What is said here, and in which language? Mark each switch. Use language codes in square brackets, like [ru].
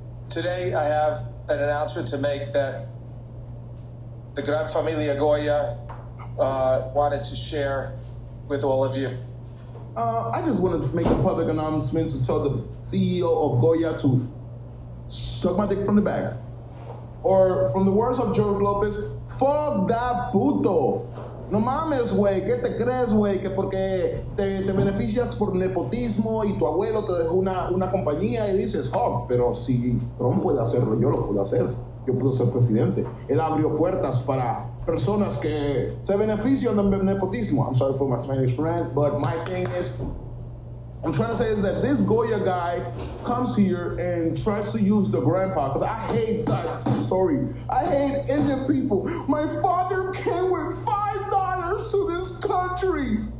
[en] Today, I have an announcement to make that the Gran Familia Goya wanted to share with all of you. I just want to make a public announcement to tell the CEO of Goya to suck my dick from the back. Or from the words of George Lopez, fuck that puto. [es] No mames, güey, ¿qué te crees, güey? Que porque te beneficias por nepotismo y tu abuelo te dejó una compañía y dices, oh, pero si Trump puede hacerlo, yo lo puedo hacer. Yo puedo ser presidente. Él abrió puertas para personas que se benefician del nepotismo. [en] I'm sorry for my Spanish friend, but my thing is, I'm trying to say is that this Goya guy comes here and tries to use the grandpa, because I hate that story. I hate Indian people. My father came with $5 to this country.